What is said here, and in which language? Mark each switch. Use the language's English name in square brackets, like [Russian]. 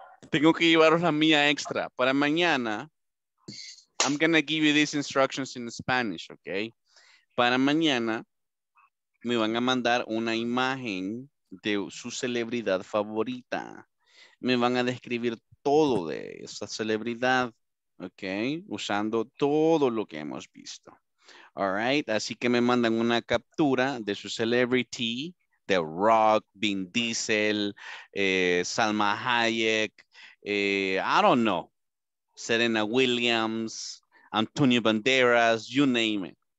[Spanish] Tengo que llevaros la mía extra para mañana. [English] I'm gonna give you these instructions in Spanish, okay? [Spanish] Para mañana, me van a mandar una imagen de su celebridad favorita. Me van a describir todo de esa celebridad, ¿ok? Usando todo lo que hemos visto. [English] All right, [Spanish] así que me mandan una captura de su celebrity, The Rock, Vin Diesel, Salma Hayek, [English] I don't know, [Spanish] Serena Williams, Antonio Banderas, [English] you name it.